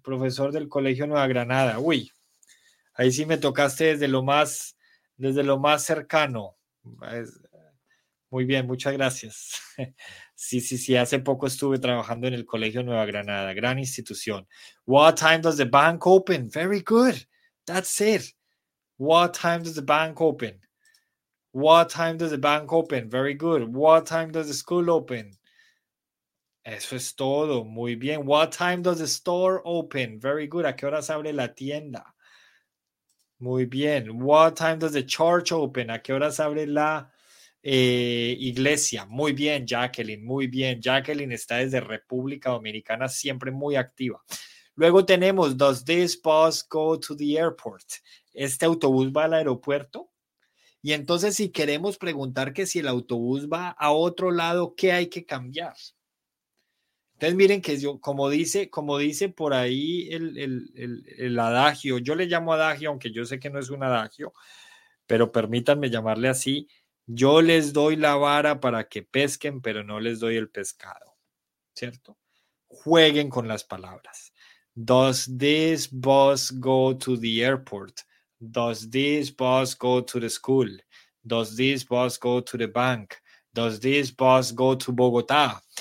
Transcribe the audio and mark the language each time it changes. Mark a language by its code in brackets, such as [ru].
[es] Profesor del Colegio Nueva Granada. Uy, ahí sí me tocaste desde lo más cercano. Muy bien, muchas gracias. Sí, hace poco estuve trabajando en el Colegio Nueva Granada, gran institución. [en] What time does the bank open? Very good. That's it. What time does the bank open? What time does the bank open? Very good. What time does the school open? [es] Eso es todo. Muy bien. [en] What time does the store open? Very good. [es] ¿A qué hora se abre la tienda? Muy bien. [en] What time does the church open? [es] ¿A qué hora se abre la iglesia? Muy bien, Jacqueline. Muy bien. Jacqueline está desde República Dominicana, siempre muy activa. Luego tenemos, [en] does this bus go to the airport? [es] ¿Este autobús va al aeropuerto? Y entonces, si queremos preguntar que si el autobús va a otro lado, ¿qué hay que cambiar? Entonces, miren que yo, como dice por ahí el adagio, yo le llamo adagio, aunque yo sé que no es un adagio, pero permítanme llamarle así, yo les doy la vara para que pesquen, pero no les doy el pescado, ¿cierto? Jueguen con las palabras. [en] Does this bus go to the airport? Does this bus go to the school? Does this bus go to the bank? Does this bus go to Bogotá?